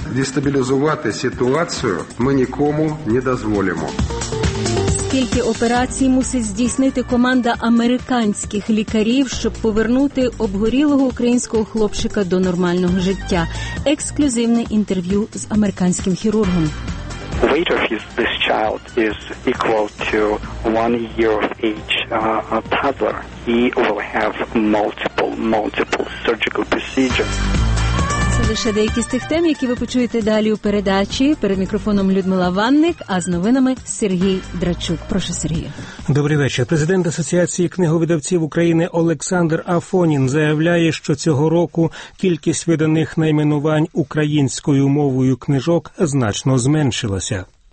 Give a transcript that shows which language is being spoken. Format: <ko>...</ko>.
<uk>Дестабілізувати ситуацію ми нікому не дозволимо. Скільки операцій мусить здійснити команда американських лікарів, щоб повернути обгорілого українського хлопчика до нормального життя? Ексклюзивне інтерв'ю з американським хірургом.</uk> <en>Weight of this child is equal to one year of age toddler. He will have multiple surgical procedures.</en> <uk>Лише деякі з тих тем, які ви почуєте далі у передачі. Перед мікрофоном Людмила Ванник, а з новинами Сергій Драчук. Прошу, Сергію. Добрий вечір. Президент Асоціації книговидавців України Олександр Афонін заявляє, що цього року кількість виданих найменувань українською мовою книжок значно зменшилася.</uk>